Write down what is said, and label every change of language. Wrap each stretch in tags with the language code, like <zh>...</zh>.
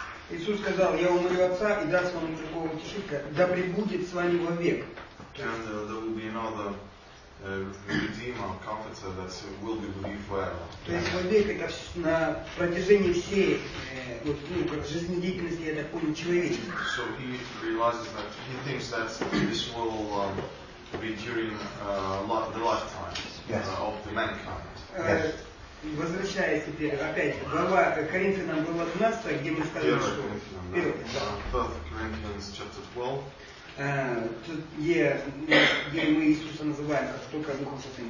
<ru>Иисус сказал: «Я умолю Отца, и даст вам другого утешителя, да пребудет с вами вовек».</ru> <en>And there will be another Redeemer, Comforter, that will be with you forever.</en> <ru>То есть вовек, это на протяжении всей вот ну как жизнедеятельности, я так понял, человечества.</ru> <en>So he realizes that he thinks that this will be during the lifetime of the mankind. Yes.</en> <ru>Возвращаясь теперь, опять, глава Коринфянам, глава 12, где мы сказали, что...</ru> <en>1 Corinthians, chapter 12.</en> <ru>Где мы Иисуса называем, как только Духом Святым.</ru>